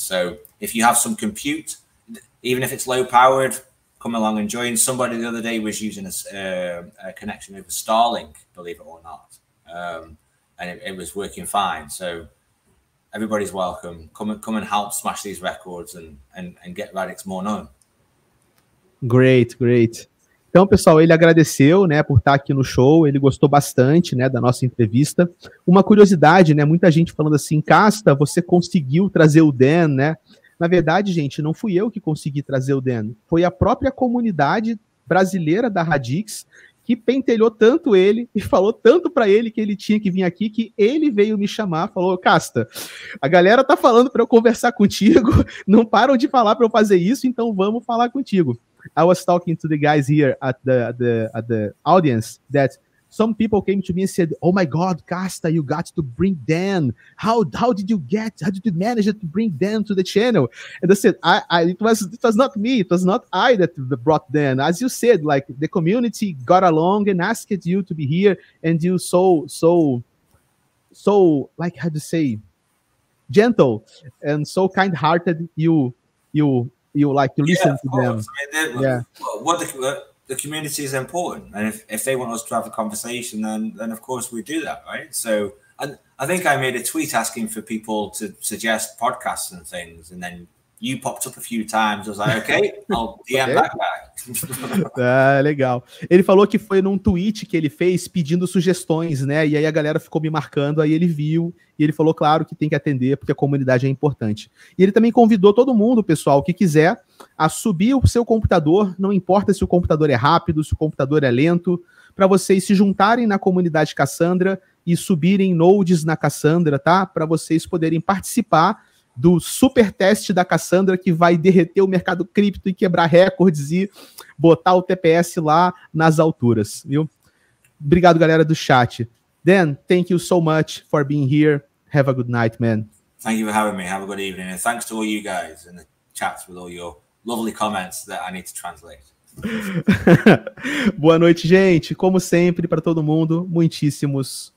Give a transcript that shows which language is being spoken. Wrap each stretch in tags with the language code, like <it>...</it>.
<en>So if you have some compute, even if it's low powered, come along and join. Somebody the other day was using a connection over Starlink, believe it or not, and it was working fine. So everybody's welcome. Come and help smash these records and get Radix more known. Great.</en> <pt>Então, pessoal, ele agradeceu, né, por estar aqui no show, ele gostou bastante, né, da nossa entrevista. Uma curiosidade, né, muita gente falando assim, Casta, você conseguiu trazer o Dan, né? Na verdade, gente, não fui eu que consegui trazer o Dan, foi a própria comunidade brasileira da Radix que pentelhou tanto ele e falou tanto para ele que ele tinha que vir aqui, que ele veio me chamar, falou, Casta, a galera tá falando para eu conversar contigo, não param de falar para eu fazer isso, então vamos falar contigo.</pt> <en>I was talking to the guys here at the audience that some people came to me and said, oh my God, Casta, you got to bring Dan. How did you manage to bring Dan to the channel? And I said, it was not me. It was not I that brought Dan. As you said, like the community got along and asked you to be here and you so like how to say, gentle and so kind-hearted you like to listen to them. The community is important, and if they want us to have a conversation, then of course we do that, right? So, and I think I made a tweet asking for people to suggest podcasts and things, and then you popped up a few times. I was like, okay, I'll DM that guy.</en> <pt>Ah, legal. Ele falou que foi num tweet que ele fez pedindo sugestões, né? E aí a galera ficou me marcando, aí ele viu e ele falou, claro, que tem que atender porque a comunidade é importante. E ele também convidou todo mundo, pessoal, que quiser, a subir o seu computador, não importa se o computador é rápido, se o computador é lento, para vocês se juntarem na comunidade Cassandra e subirem nodes na Cassandra, tá? Para vocês poderem participar do super teste da Cassandra que vai derreter o mercado cripto e quebrar recordes e botar o TPS lá nas alturas, viu? Obrigado, galera do chat.</pt> <en>Dan, thank you so much for being here. Have a good night, man. Thank you for having me. Have a good evening. And thanks to all you guys in the chats with all your lovely comments that I need to translate.</en> <pt>Boa noite, gente. Como sempre, para todo mundo, muitíssimos obrigado.</pt>